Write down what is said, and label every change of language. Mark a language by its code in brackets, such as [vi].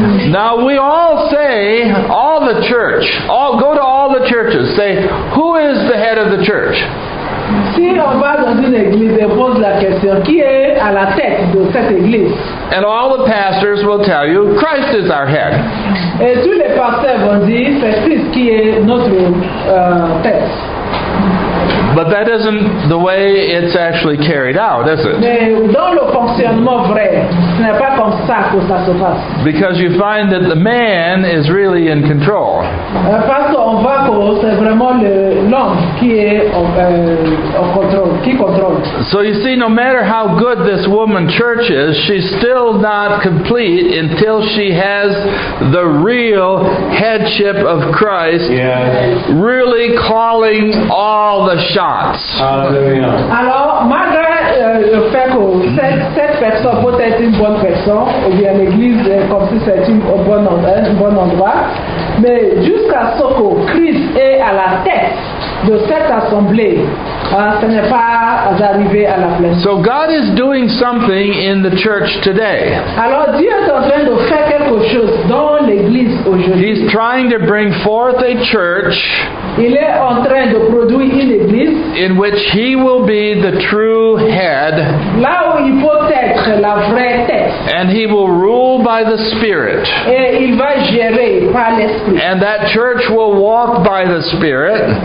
[en] Now we all say, all the church, all go to all the churches, say, who is the head of the church? [fr] Si on va dans une église et pose la question, qui est à la tête de cette église? [en] And all the pastors will tell you, Christ is our head. [fr] Et tous les pasteurs vont dire, c'est Christ qui est notre tête. [en] But that isn't the way it's actually carried out, is it? [fr] Mais dans le fonctionnement vrai, ce n'est pas comme ça que ça se passe. [en] Because you find that the man is really in control. [fr] Parce qu'on voit que c'est vraiment l'homme qui est en contrôle, qui contrôle. [en] So you see, no matter how good this woman church is, she's still not complete until she has the real headship of Christ, yeah, really calling all the shots. [fr] Alors, malgré le fait que cette personne peut être une bonne personne, ou bien l'église comme si c'était un bon endroit, mais jusqu'à ce que Christ est à la tête de cette assemblée, ce n'est pas arrivé à la plénière. [en] So God is doing something in the church today. [fr] Alors Dieu est en train de faire quelque chose dans l'église aujourd'hui. [en] He's trying to bring forth a church. [fr] Il est en train de produire une église [en] in which he will be the true head. [fr] Là où il peut être la vraie tête. [en] And he will rule by the Spirit. [fr] Et il va gérer par l'Esprit. [en] And that church will walk by the Spirit.